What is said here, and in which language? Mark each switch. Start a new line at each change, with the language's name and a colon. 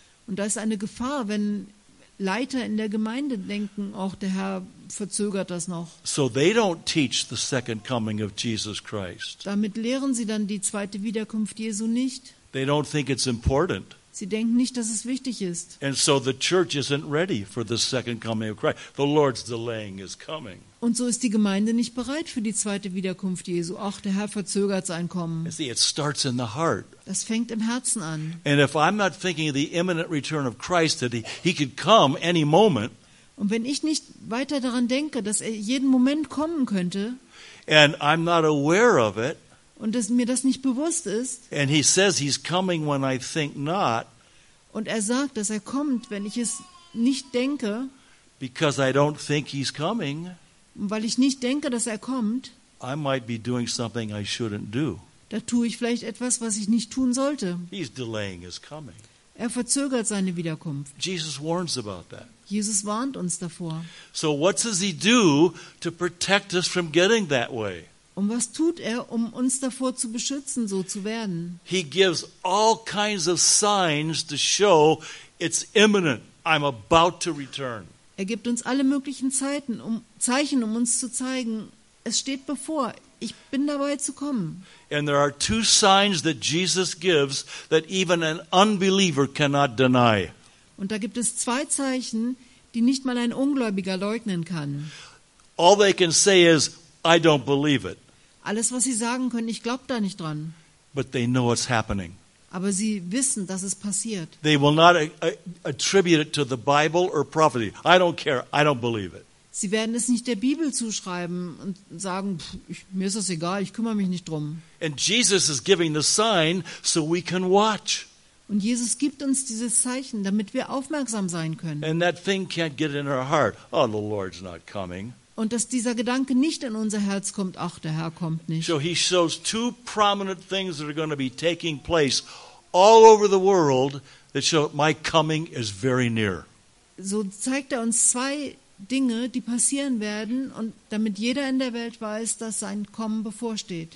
German: Und da ist eine Gefahr, wenn Leiter in der Gemeinde denken, auch der Herr verzögert das noch.
English: So they don't teach the second coming of Jesus Christ.
German: Damit lehren sie dann die zweite Wiederkunft Jesu nicht.
English: They don't think it's important.
German: Sie denken nicht, dass es wichtig ist.
English: And so the church isn't ready for the second coming of Christ. The Lord's delaying is coming.
German: Und so ist die Gemeinde nicht bereit für die zweite Wiederkunft Jesu. Ach, der Herr verzögert sein Kommen.
English: You see, it starts in the heart.
German: Das fängt im Herzen an.
English: And if I'm not thinking of the imminent return of Christ, that he could come any moment.
German: Und wenn ich nicht weiter daran denke, dass er jeden Moment kommen könnte.
English: And I'm not aware of it.
German: Und dass mir das nicht bewusst ist.
English: And he says he's coming when I think not.
German: Und er sagt, dass er kommt, wenn ich es nicht denke.
English: because I don't think he's coming,
German: weil ich nicht denke, dass er kommt,
English: I might be doing something I shouldn't do.
German: Da tue ich vielleicht etwas, was ich nicht tun sollte.
English: He's delaying his coming.
German: Er verzögert seine Wiederkunft.
English: Jesus warns about that.
German: Jesus warnt uns davor.
English: So what does he do to protect us from getting that way?
German: Und was tut er, um uns davor zu beschützen, so zu werden?
English: He gives all kinds of signs to show it's imminent. I'm about to return.
German: Er gibt uns alle möglichen Zeichen, um uns zu zeigen, es steht bevor. Ich bin dabei zu kommen.
English: And there are two signs that Jesus gives that even an unbeliever cannot deny.
German: Und da gibt es zwei Zeichen, die nicht mal ein Ungläubiger leugnen kann.
English: All they can say is, I don't believe it.
German: Alles, was sie sagen können, ich glaube da nicht dran.
English: But they know it's happening.
German: Aber sie wissen, dass es passiert.
English: They will not attribute it to the Bible or prophecy. I don't care. I don't believe it.
German: Sie werden es nicht der Bibel zuschreiben und sagen, mir ist das egal, ich kümmere mich nicht drum.
English: And Jesus is giving the sign so we can watch.
German: Und Jesus gibt uns dieses Zeichen, damit wir aufmerksam sein können.
English: And that thing can't get in our heart. Oh, the Lord's not coming.
German: Und dass dieser Gedanke nicht in unser Herz kommt, ach, der Herr kommt nicht.
English: So he shows two prominent things that are going to be taking place all over the world that show my coming is very near.
German: So zeigt er uns zwei Dinge, die passieren werden und damit jeder in der Welt weiß, dass sein Kommen bevorsteht.